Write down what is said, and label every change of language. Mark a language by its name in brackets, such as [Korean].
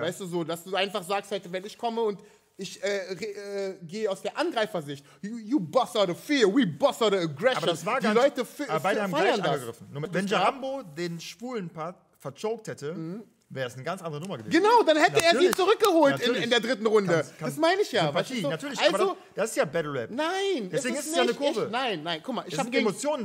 [German] Weißt du so, dass du einfach sagst, halt, wenn ich komme und ich gehe aus der Angreifersicht. [English] You bust out of fear, we bust out of aggression. [German] Aber das war die ganz, Leute beide haben gleich angegriffen. Nur mit, wenn Jarambo den schwulen Part verchoked hätte, wäre es eine ganz andere Nummer gewesen. Genau, dann hätte natürlich er sie zurückgeholt in der dritten Runde. Das meine ich ja. Sympathie, weißt du, natürlich. Also, aber das ist ja Battle Rap. Nein. Deswegen ist es ja eine Kurve. Nein. Guck mal, ich habe Emotionen